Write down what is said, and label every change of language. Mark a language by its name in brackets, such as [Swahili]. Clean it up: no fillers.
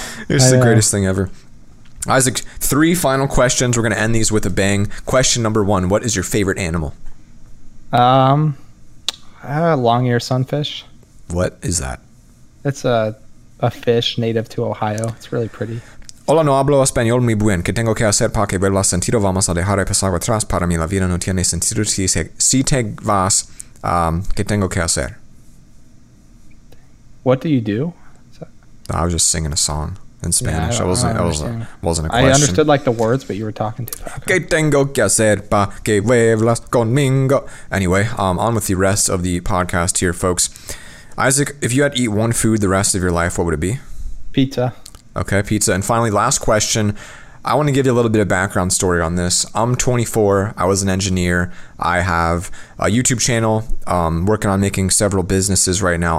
[English] It's the greatest thing ever. Isaac, three final questions. We're going to end these with a bang. Question number one. What is your favorite animal? Long ear sunfish. What is that? It's a fish native to Ohio. It's really pretty. [Spanish] Hola, no hablo español muy bien. ¿Qué tengo que hacer para que vuelva sentido? Vamos a dejar el pasado atrás. Para mí la vida no tiene sentido. Si te vas, ¿qué tengo que hacer? [English] What do you do? I was just singing a song in Spanish. Yeah, I wasn't a question. I understood like the words, but you were talking too fast. [Spanish] Que tengo que hacer pa que vuelvas conmigo. [English] Anyway, on with the rest of the podcast here, folks. Isaac, if you had to eat one food the rest of your life, what would it be? Pizza. Okay, pizza. And finally, last question. I want to give you a little bit of background story on this. I'm 24. I was an engineer. I have a YouTube channel, working on making several businesses right now.